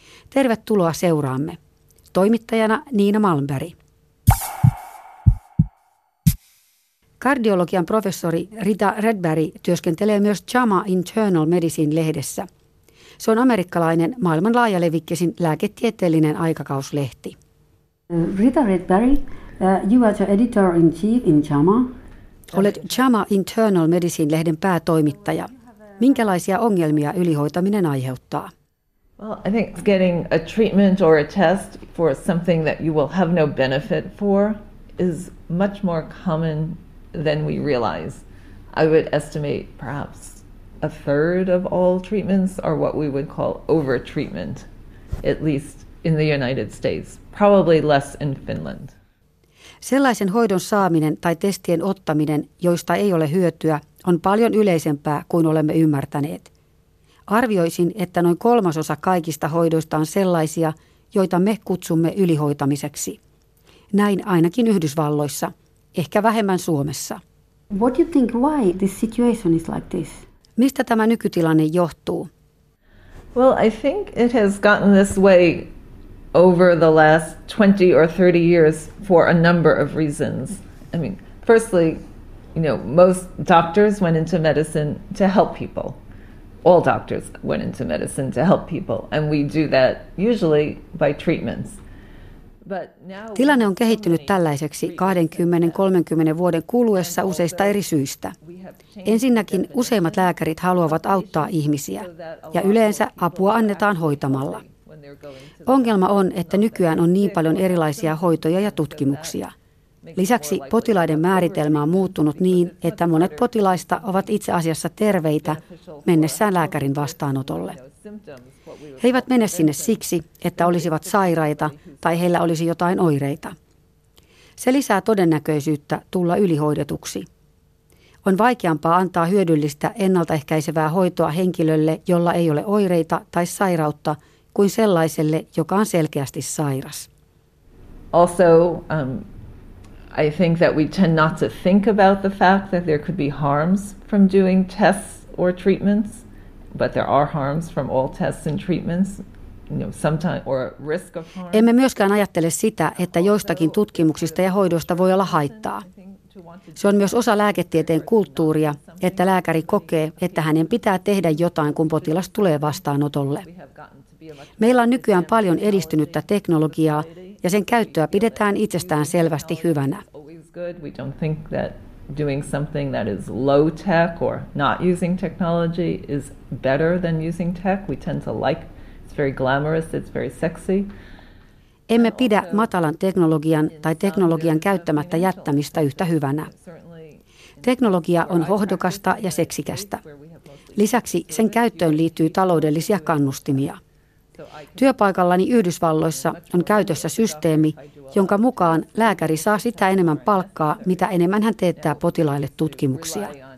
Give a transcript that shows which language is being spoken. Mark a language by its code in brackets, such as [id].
[fi] Tervetuloa seuraamme. Toimittajana Niina Malmberg. Kardiologian professori Rita Redbergi työskentelee myös JAMA Internal Medicine-lehdessä. Se on amerikkalainen maailman laajalevikkisin lääketieteellinen aikakauslehti. [en] Rita Redbergi, you are the editor-in-chief in JAMA. [fi] Olet JAMA Internal Medicine-lehden päätoimittaja. Minkälaisia ongelmia ylihoitaminen aiheuttaa? [en] Well, I think getting a treatment or a test for something that you will have no benefit for is much more common than we realize. I would estimate perhaps a third of all treatments are what we would call over-treatment, at least in the United States, probably less in Finland. [fi] Sellaisen hoidon saaminen tai testien ottaminen, joista ei ole hyötyä, on paljon yleisempää kuin olemme ymmärtäneet. Arvioisin, että noin kolmasosa kaikista hoidoista on sellaisia, joita me kutsumme ylihoitamiseksi. Näin ainakin Yhdysvalloissa, ehkä vähemmän Suomessa. [en] What do you think, why this situation is like this? [fi] Mistä tämä nykytilanne johtuu? [en] Well, I think it has gotten this way over the last 20 or 30 years for a number of reasons. I mean, firstly, you know, most doctors went into medicine to help people. All doctors went into medicine to help people, and we do that usually by treatments. [fi] Tilanne on kehittynyt tällaiseksi 20-30 vuoden kuluessa useista eri syistä. Ensinnäkin useimmat lääkärit haluavat auttaa ihmisiä, ja yleensä apua annetaan hoitamalla. Ongelma on, että nykyään on niin paljon erilaisia hoitoja ja tutkimuksia. Lisäksi potilaiden määritelmä on muuttunut niin, että monet potilaista ovat itse asiassa terveitä mennessään lääkärin vastaanotolle. He eivät mene sinne siksi, että olisivat sairaita tai heillä olisi jotain oireita. Se lisää todennäköisyyttä tulla ylihoidetuksi. On vaikeampaa antaa hyödyllistä ennaltaehkäisevää hoitoa henkilölle, jolla ei ole oireita tai sairautta, kuin sellaiselle, joka on selkeästi sairas. [en] Also, I think that we tend not to think about the fact that there could be harms from doing tests or treatments, but there are harms from all tests and treatments, you know, sometimes or risk of harm. [fi] Emme myöskään ajattele sitä, että joistakin tutkimuksista ja hoidoista voi olla haittaa. Se on myös osa lääketieteen kulttuuria, että lääkäri kokee, että hänen pitää tehdä jotain, kun potilas tulee vastaanotolle. Meillä on nykyään paljon edistynyttä teknologiaa, ja sen käyttöä pidetään itsestään selvästi hyvänä. [en] We don't think that doing something that is low tech or not using technology is better than using tech. We tend to like it's very glamorous, it's very sexy. [fi] Emme pidä matalan teknologian tai teknologian käyttämättä jättämistä yhtä hyvänä. Teknologia on hohdokasta ja seksikästä. Lisäksi sen käyttöön liittyy taloudellisia kannustimia. Työpaikallani Yhdysvalloissa on käytössä systeemi, jonka mukaan lääkäri saa sitä enemmän palkkaa, mitä enemmän hän teettää potilaille tutkimuksia.